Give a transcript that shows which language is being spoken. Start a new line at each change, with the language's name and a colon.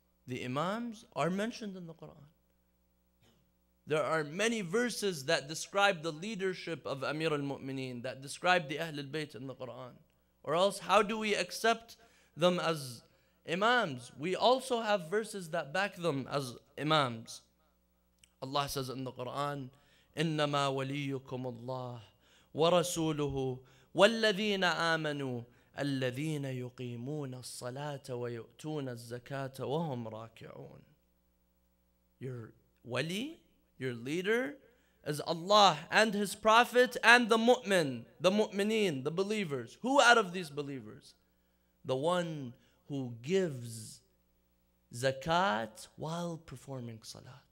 English: The Imams are mentioned in the Quran. There are many verses that describe the leadership of Amir al-Mu'mineen, that describe the Ahlul Bayt in the Quran. Or else, how do we accept them as Imams? We also have verses that back them as Imams. Allah says in the Quran,
Arabic: إِنَّمَا وَلِيُّكُمُ اللَّهِ وَرَسُولُهُ وَالَّذِينَ آمَنُوا الَّذِينَ يُقِيمُونَ الصَّلَاةَ وَيُؤْتُونَ الزَّكَاةَ وَهُمْ رَاكِعُونَ.
English: Your wali, your leader, is Allah and His Prophet and the mu'min, the mu'mineen, the believers. Who out of these believers? The one who gives zakat while performing salat.